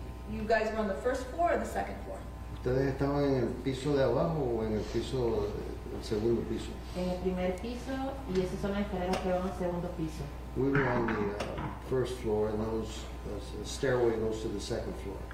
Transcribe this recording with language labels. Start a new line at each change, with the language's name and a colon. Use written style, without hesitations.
English: You guys were on the first floor or the second floor?
Spanish: ¿Ustedes estaban en el piso de abajo o en el piso, el segundo piso? En el primer piso, y esas son las escaleras que van al segundo piso.
English: We were on the first floor, and those the stairway goes to the second floor.